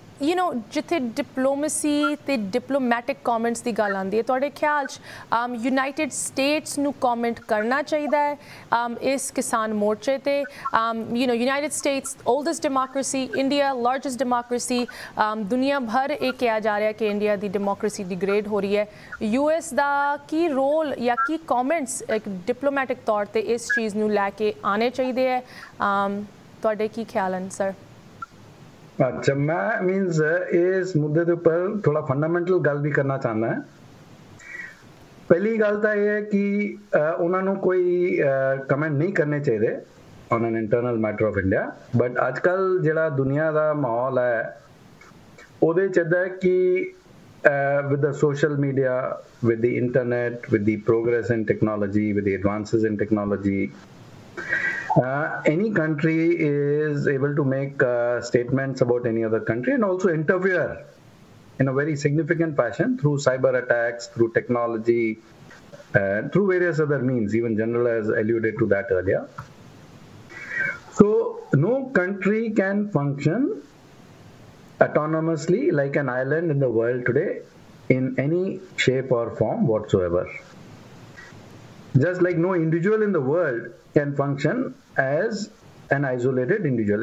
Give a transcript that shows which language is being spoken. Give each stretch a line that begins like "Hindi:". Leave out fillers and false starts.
Punjabi: You know ਜਿੱਥੇ diplomacy ਤੇ diplomatic comments ਦੀ ਗੱਲ ਆਉਂਦੀ ਹੈ ਤੁਹਾਡੇ ਖਿਆਲ 'ਚ ਯੂਨਾਈਟਿਡ ਸਟੇਟਸ ਨੂੰ ਕਮੈਂਟ ਕਰਨਾ ਚਾਹੀਦਾ ਹੈ ਇਸ ਕਿਸਾਨ ਮੋਰਚੇ ਤੇ you know United States ਓਲਡੈਸਟ democracy India largest democracy ਦੁਨੀਆ ਭਰ ਇਹ ਕਿਹਾ ਜਾ ਰਿਹਾ ਕਿ ਇੰਡੀਆ ਦੀ ਡੈਮੋਕ੍ਰੇਸੀ ਡਿਗ੍ਰੇਡ ਹੋ ਰਹੀ ਹੈ ਯੂ ਐਸ ਦਾ ਕੀ ਰੋਲ ਜਾਂ ਕੀ ਕਮੈਂਟਸ ਇੱਕ ਡਿਪਲੋਮੈਟਿਕ ਤੌਰ 'ਤੇ ਇਸ ਚੀਜ਼ ਨੂੰ ਲੈ ਕੇ ਆਉਣੇ ਚਾਹੀਦੇ ਹੈ ਤੁਹਾਡੇ ਕੀ ਖਿਆਲ ਹਨ ਸਰ
Hindi: अच्छा मैं मीन्स इस मुद्दे के ऊपर थोड़ा फंडामेंटल गल भी करना चाहता है। पहली गल तो यह है कि उन्होंने कोई कमेंट नहीं करने चाहिए
English: on an internal matter of India,
Hindi: but अजकल जो दुनिया का माहौल है वो चाहता है कि
English: with the social media with the internet with the progress in technology
Hindi: with the advances in technology
English: any country is able to make statements about any other country and also interfere in a very significant fashion through cyber attacks, through technology, through various other means. Even General has alluded to that earlier. So no country can function autonomously like an island in the world today in any shape or form whatsoever. Just like no individual in the world can function as an isolated individual.